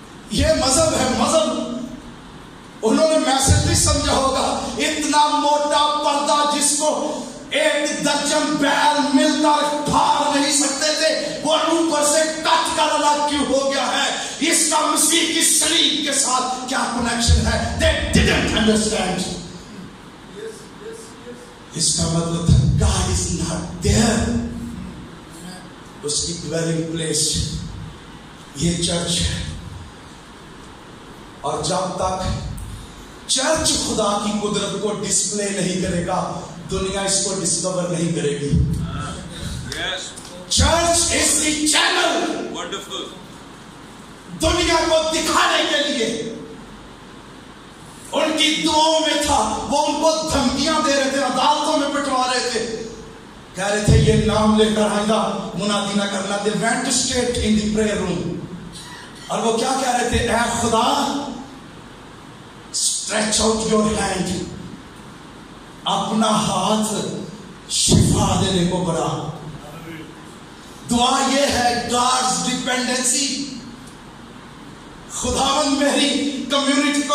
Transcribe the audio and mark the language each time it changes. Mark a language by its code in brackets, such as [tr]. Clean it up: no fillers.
[ur] یہ مذہب ہے, مذہب. انہوں نے میسج نہیں سمجھا ہوگا, اتنا موٹا پردہ جس کو ایک درجن بیل ملتا پھاڑ نہیں سکتے تھے, وہ اوپر سے کٹ کر الگ کیوں ہو گیا ہے؟ اس کا مسیح کی صلیب کے ساتھ کیا کنیکشن ہے؟ [en] They didn't understand. Yes, yes, yes. [ur] اس کا مطلب تھا [en] God is not there. [ur] اس کی ڈویلنگ پلیس یہ چرچ ہے. اور جب تک چرچ خدا کی قدرت کو ڈسپلے نہیں کرے گا, دنیا اس کو ڈسکور نہیں کرے گی. [en] church is the channel wonderful [ur] دنیا کو دکھانے کے لیے. ان کی دعاؤں میں تھا, وہ ان کو دھمکیاں دے رہے تھے, عدالتوں میں پٹوا رہے تھے, کہہ رہے تھے یہ نام لے کر آئیں گا منادی نہ کرنا. [en] They went straight in the prayer room. [ur] اور وہ کیا کہہ رہے تھے؟ اے خدا [en] stretch out your hand, [ur] اپنا ہاتھ شفا دینے کو بڑا. دعا یہ ہے, [en] God's dependency, [ur] خداوند میری کمیونٹی کو.